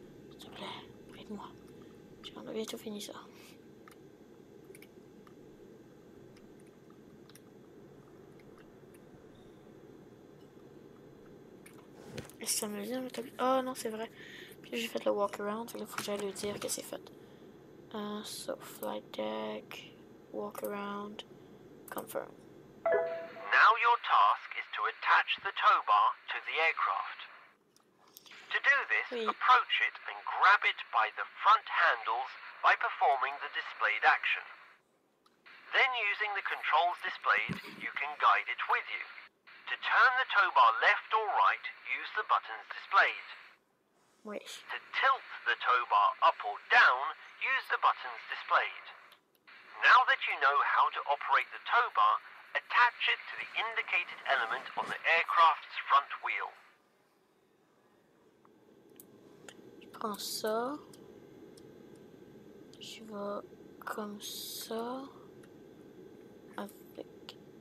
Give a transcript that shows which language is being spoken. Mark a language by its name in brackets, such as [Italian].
[French] S'il te plaît, aide-moi. J'en ai bientôt fini ça. Est-ce que ça me vient le tableau? Oh non, c'est vrai. Puis j'ai fait le walk around, il faut que j'aille lui dire que c'est fait. [English] So, flight deck, walk around, confirm. Now your task is to attach the tow bar to the aircraft. To do this, approach it and grab it by the front handles by performing the displayed action. Then using the controls displayed, you can guide it with you. To turn the tow bar left or right, use the buttons displayed. To tilt the tow bar up or down, use the buttons displayed. Now that you know how to operate the tow bar, attach it to the indicated element on the aircraft's front wheel. [French] En ça, je vais comme ça avec.